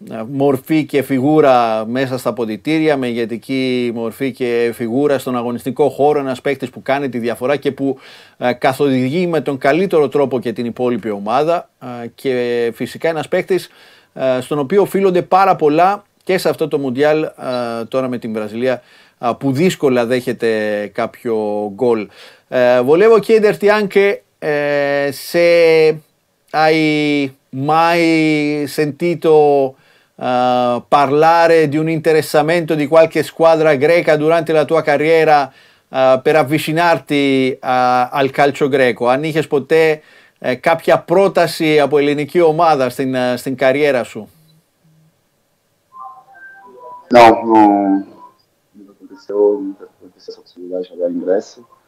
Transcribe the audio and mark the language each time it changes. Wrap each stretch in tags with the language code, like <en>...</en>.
<el>μορφή και φιγούρα μέσα στα ποδητήρια, με ηγετική μορφή και φιγούρα στον αγωνιστικό χώρο, ένας παίχτης που κάνει τη διαφορά και που καθοδηγεί με τον καλύτερο τρόπο και την υπόλοιπη ομάδα και φυσικά ένας παίχτης στον οποίο οφείλονται πάρα πολλά και σε αυτό το Μουντιάλ τώρα με την Βραζιλία που δύσκολα δέχεται κάποιο γκολ.</el> <it>Volevo chiederti anche se hai mai sentito parlare di un interessamento di qualche squadra greca durante la tua carriera per avvicinarti al calcio greco.</it> <el>Αν είχες ποτέ κάποια πρόταση από ελληνική ομάδα στην καριέρα σου.</el> <pt>Não, não aconteceu essa possibilidade de jogar em Grécia.</pt>